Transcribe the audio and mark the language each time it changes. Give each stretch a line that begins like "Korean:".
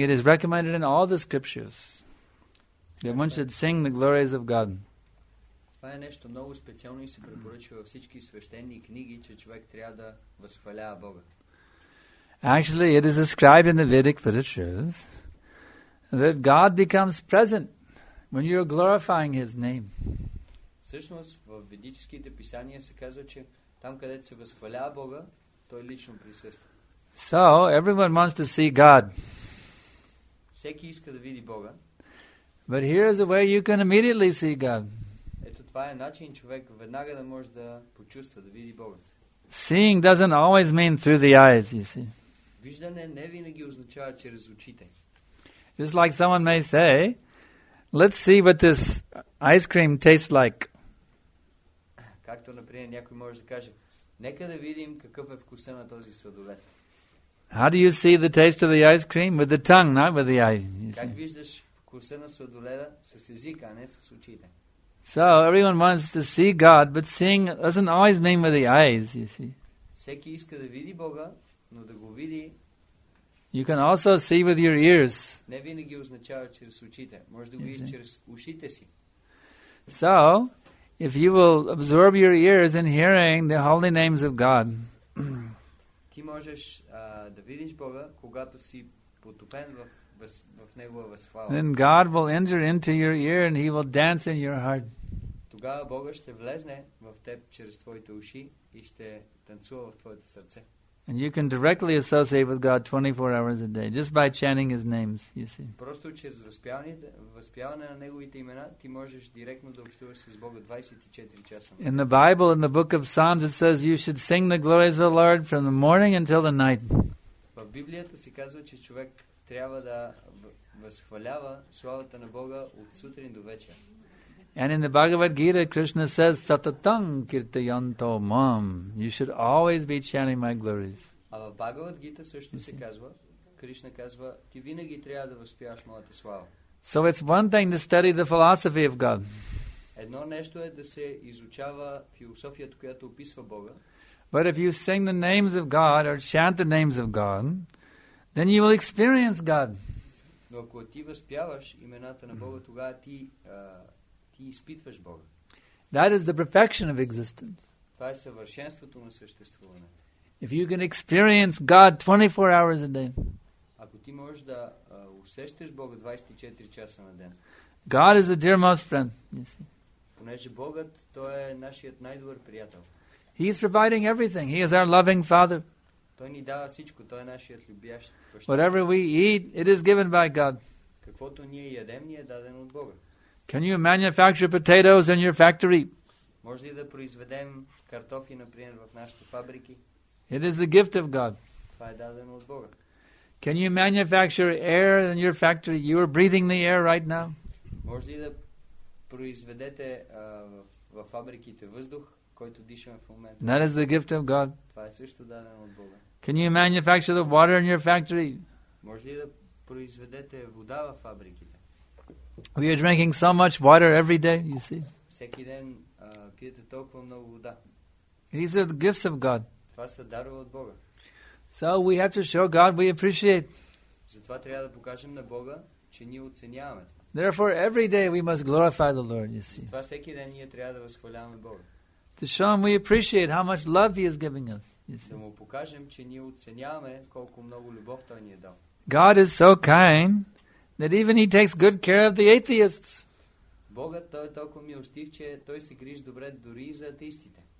English: It is recommended in all the scriptures that one should sing the glories of God.
Bulgarian: Това е нещо много специално и се препоръчва във всички свещени книги, че човек трябва да възхвалява Бога.
English: Actually, it is described in the Vedic literatures that God becomes present when you are glorifying His name.
Bulgarian: Всъщност, в ведическите писания се казва, че там, където се възхвалява Бога, Той лично присъства.
English: So everyone wants to see God.
Bulgarian: Всеки иска да види Бога.
English: But here is a way you can immediately see God.
Bulgarian: Ето това е начин човек веднага да може да почувства да види Бога.
English: Seeing doesn't always mean through the eyes, you see.
Bulgarian: Виждане не винаги означава чрез очите.
English: Just like someone may say, let's see what this ice cream tastes like.
Bulgarian: Както например някой може да каже, нека да видим какъв е вкуса на този сладолед.
English: How do you see the taste of the ice cream? With the tongue, not with the eye.
Bulgarian: Как виждаш вкуса на сладоледа с езика, а не с очите?
English: So everyone wants to see God, but seeing doesn't always mean with the eyes, you see.
Bulgarian: Всеки иска да види Бога, но да го види.
English: You can also see with your ears.
Bulgarian: Не винаги означава чрез очите. Може да го видиш чрез ушите си.
English: So, if you will absorb your ears in hearing the holy names of God.
Bulgarian: Ти можеш да видиш Бога, когато си потопен в Негова възхвала.
English: Then God will enter into your ear and he will dance in your heart.
Bulgarian: Тогава Бога ще влезне в теб чрез твоите уши и ще танцува в твоето сърце.
English: And you can directly associate with God 24 hours a day just by chanting his names, you see.
Bulgarian: Просто чрез възпяване на неговите имена ти можеш директно да общуваш с Бога 24 часа.
English: In the Bible, in the book of Psalms, it says you should sing the glories of the Lord from the morning until the night.
Bulgarian: В Библията се казва, че човек трябва да възхвалява славата на Бога от сутрин до вечер.
English: And in the Bhagavad Gita, Krishna says,
Sanskrit: Satatam kirtayanto mam.
English: You should always be chanting my glories.
Bulgarian: А в Бхагавад Гита също се казва, Кришна казва, ти винаги трябва да възпяваш моята слава.
English: So it's one thing to study the philosophy of God.
Bulgarian: Едно нещо е да се изучава философията, която описва Бога.
English: But if you sing the names of God or chant the names of God, then you will experience God.
Bulgarian: Но ако ти възпяваш имената на Бога, тогава ти изпитваш Бога.
English: That is the perfection of existence.
Bulgarian: Това е съвършенството на съществуването.
English: If you can experience God 24 hours a day.
Bulgarian: Ако ти можеш да усещаш Бога 24 часа на ден.
English: God is the dearmost friend, you see.
Bulgarian: Понеже Богът, той е нашият най-добър приятел.
English: He is providing everything. He is our loving father.
Bulgarian: Той ни дава всичко, той е нашият любящ баща.
English: Whatever we eat, it is given by God.
Bulgarian: Каквото ние ядем, ни е дадено от Бога.
English: Can you manufacture potatoes in your factory?
Bulgarian: Може ли да произведем картофи, например, в нашите фабрики?
English: It is a gift of God.
Bulgarian: Това е дадено от Бога.
English: Can you manufacture air in your factory? You are breathing the air right now.
Bulgarian: Може ли да произведете в фабриките въздух, който дишаме в момента?
English: That is the gift of God.
Bulgarian: Това е също дадено от Бога.
English: Can you manufacture the water in your factory?
Bulgarian: Може ли да произведете вода в фабриките?
English: We are drinking so much water every day, you see.
Bulgarian: Всеки ден пиете толкова много вода.
English: These are the gifts of God.
Bulgarian: Това са дарове от Бога.
English: So we have to show God we appreciate.
Bulgarian: Затова трябва да покажем на Бога, че ние оценяваме.
English: Therefore, every day we must glorify the Lord, you see.
Bulgarian: Затова всеки ден ние трябва да възхваляваме Бога.
English: To show Him we appreciate how much love He is giving us, you see.
Bulgarian: Да му покажем, че ние оценяваме колко много любов Той ни е дал.
English: God is so kind that even he takes good care of the atheists.
Bulgarian: Богът, той е толкова милостив, че той се грижи добре дори за атеистите.